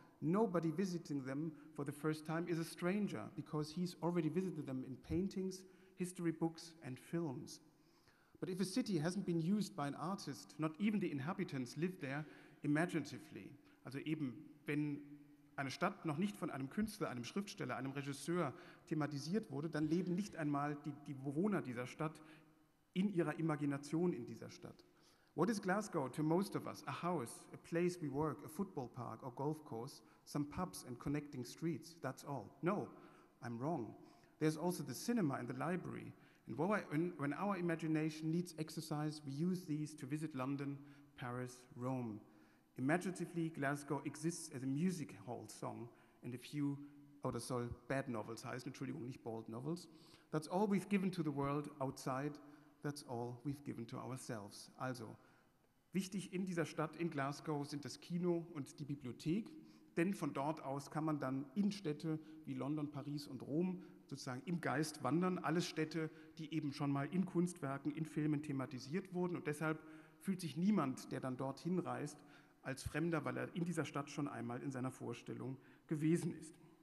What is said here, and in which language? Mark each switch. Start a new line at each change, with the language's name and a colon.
English: Nobody visiting them for the first time is a stranger, because he's already visited them in paintings, history books and films. But if a city hasn't been used by an artist, not even the inhabitants live there imaginatively.
German: Also eben, wenn eine Stadt noch nicht von einem Künstler, einem Schriftsteller, einem Regisseur thematisiert wurde, dann leben nicht einmal die Bewohner dieser Stadt in ihrer Imagination in dieser Stadt.
English: What is Glasgow to most of us? A house, a place we work, a football park or golf course, some pubs and connecting streets, that's all. No, I'm wrong. There's also the cinema and the library. And when our imagination needs exercise, we use these to visit London, Paris, Rome. Imaginatively, Glasgow exists as a music hall song and a few, oh,
German: das soll bad novels heißen, Entschuldigung, nicht bald novels.
English: That's all we've given to the world outside. That's all we've given to ourselves.
German: Also, wichtig in dieser Stadt, in Glasgow, sind das Kino und die Bibliothek, denn von dort aus kann man dann in Städte wie London, Paris und Rom sozusagen im Geist wandern, alles Städte, die eben schon mal in Kunstwerken, in Filmen thematisiert wurden, und deshalb fühlt sich niemand, der dann dorthin reist, als Fremder, weil er in dieser Stadt schon einmal in seiner Vorstellung gewesen ist.